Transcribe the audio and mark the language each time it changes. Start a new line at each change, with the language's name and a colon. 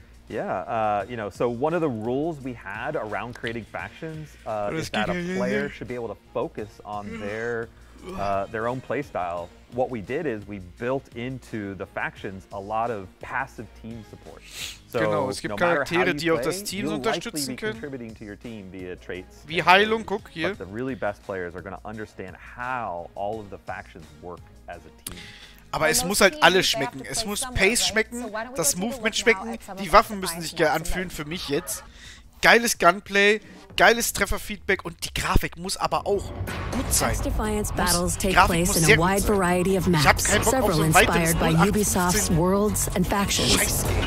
English: Yeah, so one of the rules we had around creating factions is that a player should be able to focus on their own playstyle. What we did is we built into the factions a lot of passive team support.
German: So, genau, es gibt no Charaktere, die auch das Team unterstützen können. Team via wie Heilung, guck hier.
English: But the really best players are going to understand how all of the factions work as a team.
German: Aber es muss halt alles schmecken. Es muss Pace schmecken, das Movement schmecken, die Waffen müssen sich geil anfühlen für mich jetzt. Geiles Gunplay, geiles Trefferfeedback und die Grafik muss aber auch gut sein. Ich hab keinen Bock auf so ein weiteres 0815. Scheiße.